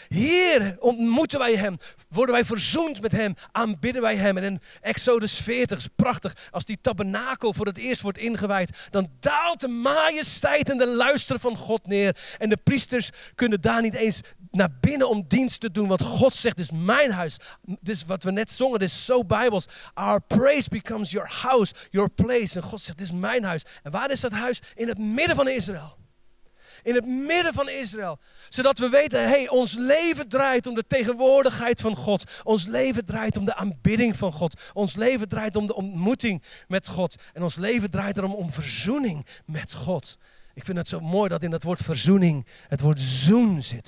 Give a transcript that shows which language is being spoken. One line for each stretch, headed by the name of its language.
Dutch: Hier ontmoeten wij hem, worden wij verzoend met hem, aanbidden wij hem. En in Exodus 40, is prachtig, als die tabernakel voor het eerst wordt ingewijd, dan daalt de majesteit en de luister van God neer. En de priesters kunnen daar niet eens naar binnen om dienst te doen, want God zegt, dit is mijn huis. Dit is wat we net zongen, dit is zo Bijbels.
English: Our praise becomes your house, your place.
Dutch: En God zegt, dit is mijn huis. En waar is dat huis? In het midden van Israël. In het midden van Israël. Zodat we weten, hey, ons leven draait om de tegenwoordigheid van God. Ons leven draait om de aanbidding van God. Ons leven draait om de ontmoeting met God. En ons leven draait erom om verzoening met God. Ik vind het zo mooi dat in dat woord verzoening, het woord zoen zit.